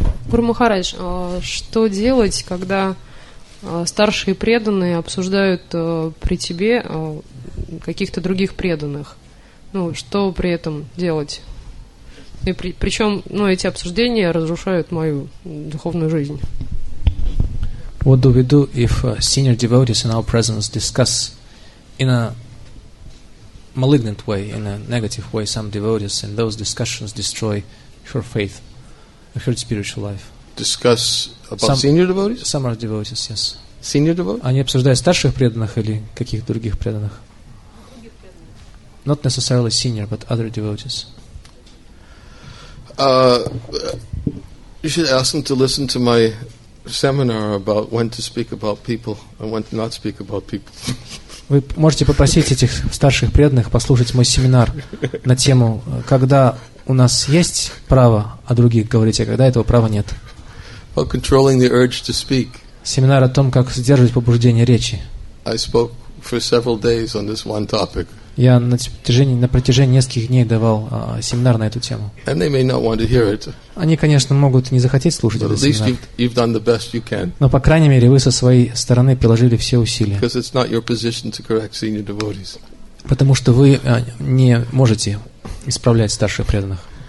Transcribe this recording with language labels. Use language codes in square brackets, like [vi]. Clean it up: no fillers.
[ru] Гуру Махарадж, что делать, когда старшие преданные обсуждают при тебе каких-то других преданных? Ну, что при этом делать? И причем, ну, эти обсуждения разрушают мою духовную жизнь. [en] What do we do if senior devotees in our presence discuss in a malignant way, in a negative way, some devotees, and those discussions destroy her faith, her spiritual life. Discuss about some, senior devotees? Some are devotees, yes. Senior devotees? [ru] Они обсуждают старших преданных или каких-то других преданных? [en] Not necessarily senior, but other devotees. You should ask them to listen to my seminar about when to speak about people and when to not speak about people. [ru] Вы можете попросить этих старших преданных послушать мой семинар на тему, когда у нас есть право о других говорить, а когда этого права нет. [en] About controlling the urge to speak. [ru] Семинар о том, как сдерживать побуждение речи. [en] I spoke for several days on this one topic. [ru] Я на протяжении нескольких дней давал семинар на эту тему. [en] And they may not want to hear it. [ru] Они, конечно, могут не захотеть слушать [en] But [ru] этот семинар. [en] You've done the best you can. [ru] Но, по крайней мере, вы со своей стороны приложили все усилия. [en] Because it's not your position to correct senior devotees. [ru] Потому что вы не можете исправлять старших преданных.